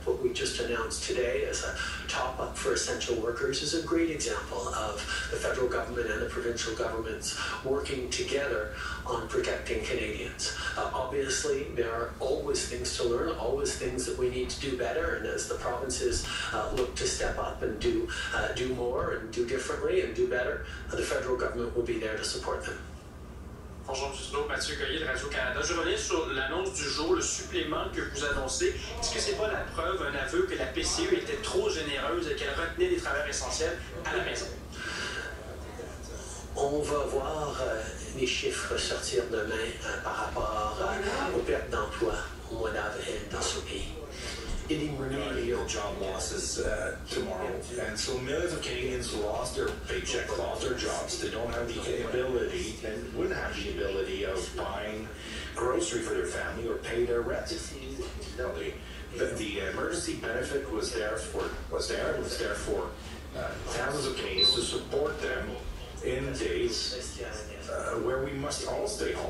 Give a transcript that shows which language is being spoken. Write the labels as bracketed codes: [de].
[en] What we just announced today as a top-up for essential workers is a great example of the federal government and the provincial governments working together on protecting Canadians. Obviously, there are always things to learn, always things that we need to do better, and as the provinces look to step up and do more and do differently and do better, the federal government will be there to support them. [fr] Bonjour, M. Trudeau, Mathieu Goyer de Radio-Canada. Je reviens sur l'annonce du jour, le supplément que vous annoncez. Est-ce que ce n'est pas la preuve, un aveu que la PCU était trop généreuse et qu'elle retenait des travailleurs essentiels à la maison? On va voir les chiffres sortir demain par rapport aux pertes d'emploi au mois d'avril dans ce pays. [en] Any real job losses tomorrow, and so millions of Canadians lost their paycheck, lost their jobs. They don't have the ability, and wouldn't have the ability of buying grocery for their family or pay their rent. The emergency benefit was there for thousands of Canadians to support them in days where we must all stay home.